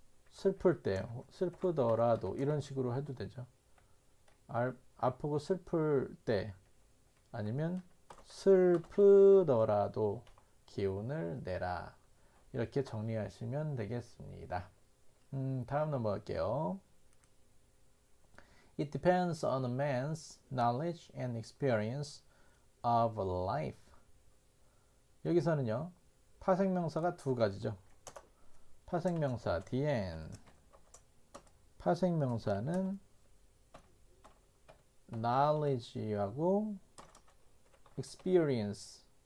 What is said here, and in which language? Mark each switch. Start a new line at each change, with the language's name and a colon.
Korean: 슬플 때, 슬프더라도 이런 식으로 해도 되죠. 아프고 슬플 때 아니면 슬프더라도 기운을 내라. 이렇게 정리하시면 되겠습니다. 다음 넘어 갈게요.
English: It depends on a man's knowledge and experience of life.
Korean: 여기서는요, 파생명사가 두 가지죠. 파생명사, the end. 파생명사는 knowledge하고 experience.